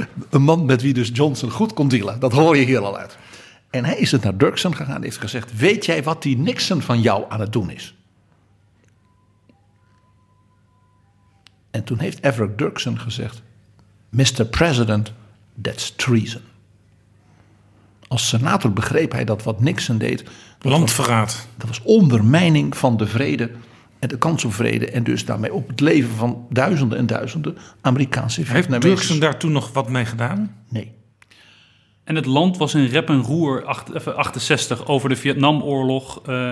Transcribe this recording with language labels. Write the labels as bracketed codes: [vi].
[nl] Een man met wie dus Johnson goed kon dealen, dat hoor je hier al uit. En hij is het naar Dirksen gegaan en heeft gezegd, weet jij wat die Nixon van jou aan het doen is? En toen heeft Everett Dirksen gezegd, Mr. [en] President, that's treason. [nl] Als senator begreep hij dat wat Nixon deed, landverraad. Dat was ondermijning van de vrede en de kans op vrede en dus daarmee op het leven van duizenden en duizenden Amerikaanse vrienden. Heeft Dirksen daar toen nog wat mee gedaan? Nee. En het land was in rep en roer, 68, over de Vietnamoorlog.